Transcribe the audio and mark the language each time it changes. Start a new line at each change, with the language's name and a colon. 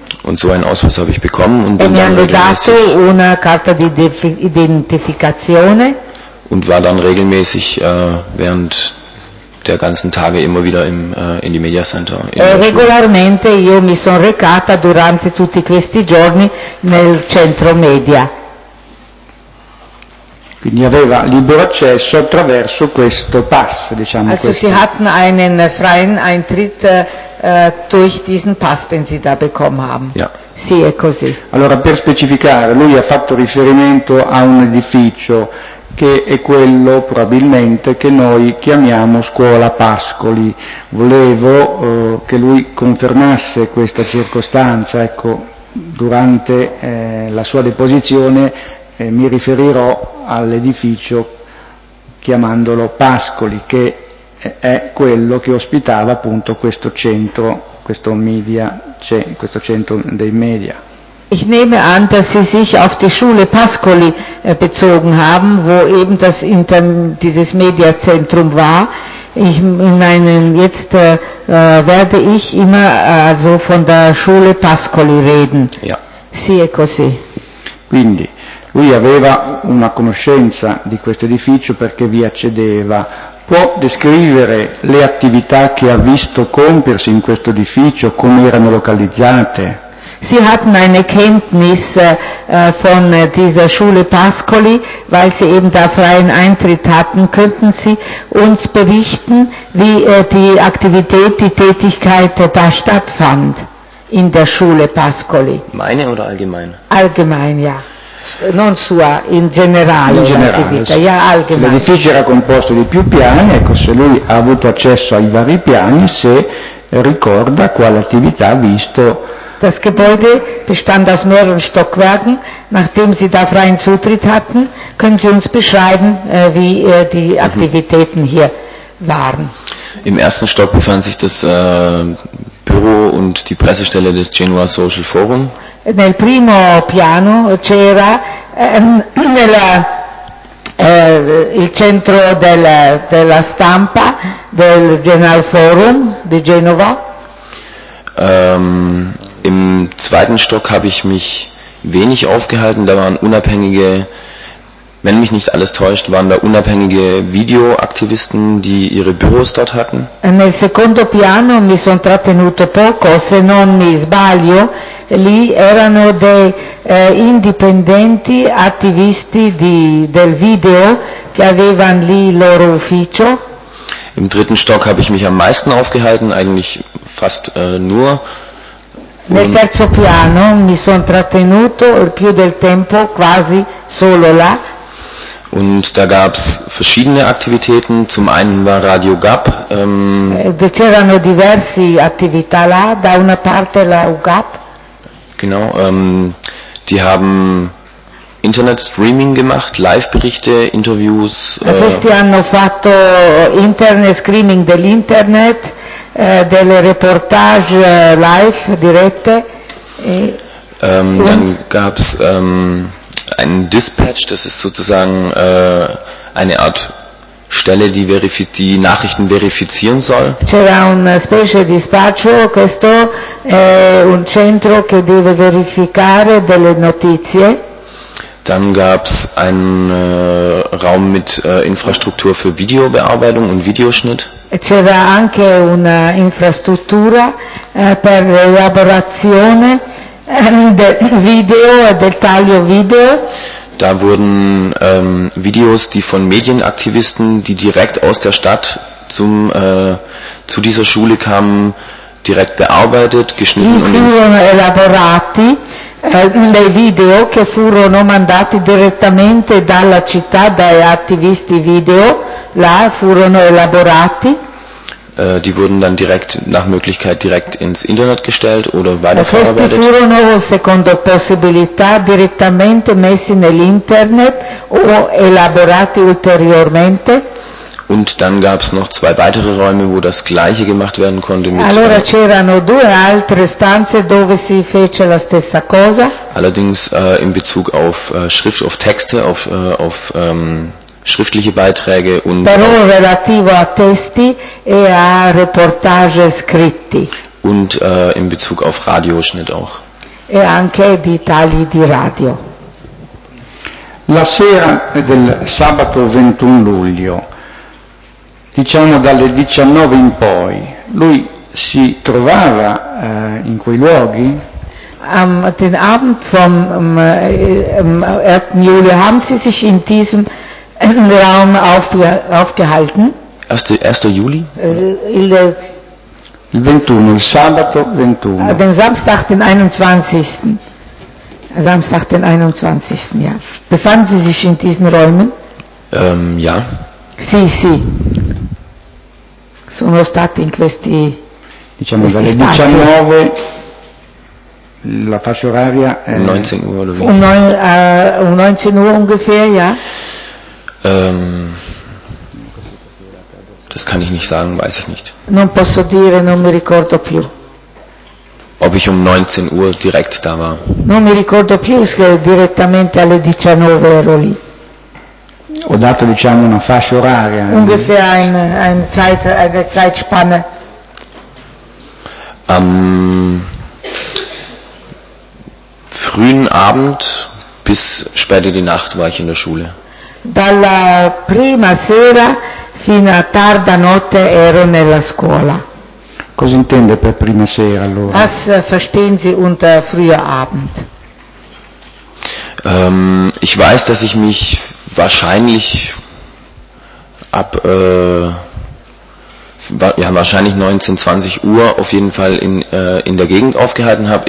German: Und so einen Ausweis habe ich bekommen und bin dann regelmäßig
Italian: una carta di identificazione
German: und war dann regelmäßig während der ganzen Tage immer wieder im in die Media Center.
Italian: Regolarmente io mi sono recata durante tutti questi giorni nel centro media. Quindi aveva libero accesso attraverso questo pass, diciamo.
German: Also sie hatten einen freien Eintritt durch diesen Pass, den sie da bekommen haben. Ja.
Italian: Sì, è così. Allora, per specificare, lui ha fatto riferimento a un edificio che è quello probabilmente che noi chiamiamo Scuola Pascoli. Volevo che lui confermasse questa circostanza, ecco, durante la sua deposizione mi riferirò all'edificio chiamandolo Pascoli, che è quello che ospitava appunto questo centro, questo media, cioè questo centro dei media.
German: Ich nehme an, dass Sie sich auf die Schule Pascoli bezogen haben, wo eben das dieses Mediazentrum war. Ich meine, jetzt werde ich immer also von der Schule Pascoli reden. Ja.
Italian: Sì, è così. Quindi lui aveva una conoscenza di questo edificio perché vi accedeva. Può descrivere le attività che ha visto compiersi in questo edificio, come erano localizzate?
German: Sie hatten eine Kenntnis von dieser Schule Pascoli, weil sie eben da freien Eintritt hatten. Könnten Sie uns berichten, wie die Aktivität, die Tätigkeit da stattfand in der Schule Pascoli? Meine oder allgemein? Allgemein, ja.
Italian: Non sua, in generale, in generale. L'edificio era composto di più piani, ecco, se lui ha avuto accesso ai vari piani, se ricorda quale attività ha visto.
German: Das Gebäude bestand aus mehreren Stockwerken. Nachdem Sie da freien Zutritt hatten, können Sie uns beschreiben, wie die Aktivitäten hier waren. Im ersten Stock befand sich das Büro und die Pressestelle des Genoa Social Forum.
Italian: Nel primo piano c'era il centro della stampa del General Forum di Genova.
German: Im zweiten Stock habe ich mich wenig aufgehalten, da waren unabhängige, wenn mich nicht alles täuscht, waren da unabhängige Videoaktivisten, die ihre Büros dort hatten.
Italian: Nel secondo piano mi sono trattenuto poco, se non mi sbaglio. Lì erano dei indipendenti attivisti del video che avevano lì il loro ufficio.
German: Im dritten Stock habe ich mich am meisten aufgehalten, eigentlich fast nur.
Italian: Nel terzo piano mi sono trattenuto il più del tempo quasi solo là.
German: Und da gab es verschiedene Aktivitäten. Zum einen war Radio GAP.
Italian: C'erano diverse attività là, da una parte la UGAP.
German: Genau, die haben Internet-Streaming gemacht, Live-Berichte, Interviews.
Italian: Questi hanno fatto Internet-Streaming dell'Internet, delle reportage live, dirette.
German: Dann gab es einen Dispatch, das ist sozusagen eine Art Stelle, die die Nachrichten verifizieren soll.
Italian: C'era una specie di dispaccio, questo è un centro che deve verificare delle notizie.
German: Dann gab es einen Raum mit Infrastruktur für Videobearbeitung und Videoschnitt.
Italian: C'era anche una infrastruttura per l'elaborazione del video, del taglio video.
German: Da wurden Videos, die von Medienaktivisten, die direkt aus der Stadt zu dieser Schule kamen, direkt bearbeitet, geschnitten und
Italian: elaborati. Dei video che furono mandati direttamente dalla città dai attivisti video là furono elaborati.
German: Die wurden dann direkt nach Möglichkeit direkt ins Internet gestellt oder weiterverarbeitet.
Italian: Questi furono secondo possibilità direttamente messi nell'internet o elaborati ulteriormente.
German: Und dann gab es noch zwei weitere Räume, wo das Gleiche gemacht werden konnte.
Italian: Allora c'erano due altre stanze dove si fece la stessa cosa.
German: Allerdings in Bezug auf Schrift, auf Texte, auf schriftliche Beiträge und.
Italian: Però relativo a testi e a reportage scritti.
German: Und in Bezug auf Radioschnitt auch.
Italian: E anche di tagli di radio. La sera del sabato 21 luglio. Diciamo dalle 19 in poi, lui si trovava in quei luoghi?
German: Den Abend vom 1. Juli haben Sie sich in diesem Raum aufgehalten? 1. Juli?
Italian: Il 21, il sabato 21.
German: Den Samstag, den 21. Samstag, den 21. Ja. Befanden Sie sich in diesen Räumen? Ja.
Italian: Sì, sì. Sono stati in questi diciamo questi dalle spazi. 19 la fascia oraria è 19 ore. Un 19 ore
German: ungefähr, ja. Das kann ich nicht sagen, weiß ich nicht.
Italian: Non posso dire, non mi ricordo più.
German: Ob ich um 19 Uhr direkt da war.
Italian: Non mi ricordo più se direttamente alle 19 ero lì. Ho dato diciamo una fascia oraria.
German: Ungefähr ein Zeit eine Zeitspanne. Am frühen Abend bis später die Nacht war ich in der Schule.
Italian: Dalla prima sera fino a tarda notte ero nella scuola. Cosa intende per prima sera allora?
German: Was verstehen Sie unter früher Abend? Ich weiß, dass ich mich wahrscheinlich ab, ja, wahrscheinlich 19, 20 Uhr auf jeden Fall in der Gegend aufgehalten habe.